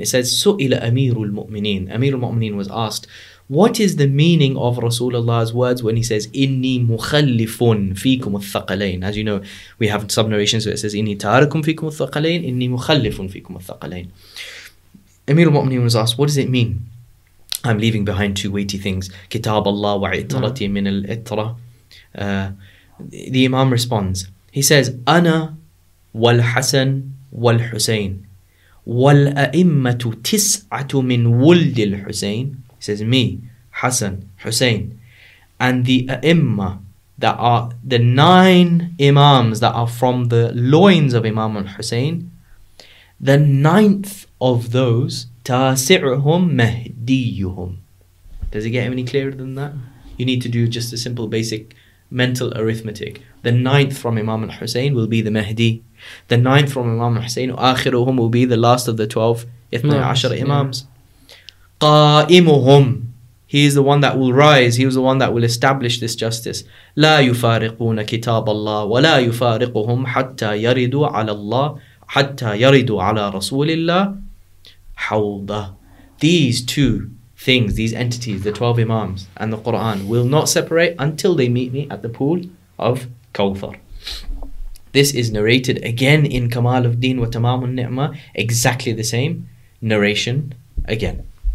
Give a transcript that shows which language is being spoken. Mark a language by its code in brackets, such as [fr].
[en] It says, Su'ila Amir al-Mu'mineen. Amir al-Mu'mineen was asked, what is the meaning of Rasulullah's words when he says, [ar] Inni mukhallifun fikum al-thaqalain? [en] As you know, we have sub narrations where it says, [ar] Inni tarakum fikum al-thaqalain, [en] Inni mukhallifun fikum al-thaqalain. Amir al-Mu'mineen was asked, what does it mean? I'm leaving behind two weighty things. [ar] Kitab Allah wa itrati min al-itra. [en] The Imam responds, he says, [ar] أنا والحسن والحسين والأئمة تسعة من ولد الحسين. [en] He says, me, Hassan, Hussein, and the أئمة, that are the nine Imams that are from the loins of Imam al-Hussein, the ninth of those, [ar] تاسعهم مهديهم. [en] Does it get any clearer than that? You need to do just a simple basic mental arithmetic. The ninth from Imam al-Hussein will be the Mahdi. The ninth from Imam al-Hussein, آخرهم, will be the last of the 12, Imams. [ar] قائمهم, [en] he is the one that will rise. He is the one that will establish this justice. [ar] لا يفارقون كتاب الله ولا يفارقهم حتى يردوا على الله حتى يردوا على رسول الله حوضة. [en] These two things, these entities, the 12 Imams and the Quran, will not separate until they meet me at the pool of Kawthar. This is narrated again in Kamal of Deen wa Tamam al Ni'mah, exactly the same narration again.